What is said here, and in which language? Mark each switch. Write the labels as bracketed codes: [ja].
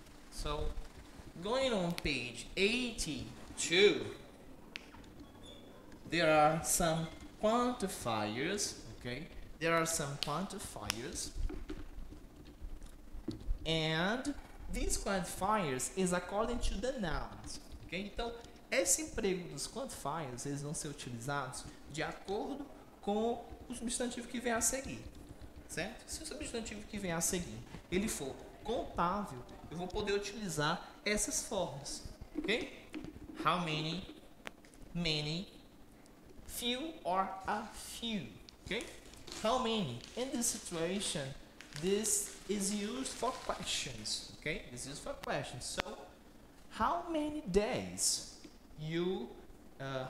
[en] So, going on page 82, there are some quantifiers, okay? There are some quantifiers, and these quantifiers is according to the nouns, ok? [pt] Então, esse emprego dos quantifiers, eles vão ser utilizados de acordo com o substantivo que vem a seguir, certo? Se o substantivo que vem a seguir, ele for contável, eu vou poder utilizar essas formas, ok? [en] How many, many, few or a few, ok? How many, in this situation, this is used for questions, okay? This is for questions. So, how many days were you sick?